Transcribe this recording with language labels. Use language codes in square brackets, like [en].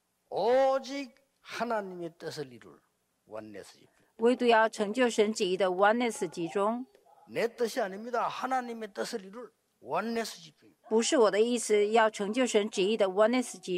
[ko] 오직 하나님의 뜻을 이룰 oneness 집중. [zh] 唯独要成就神旨意的 oneness 集中. [ko] 내 뜻이 아닙니다. 하나님의 뜻을 이룰 oneness 집중. [zh] 不是我的意思要成就神旨意的 oneness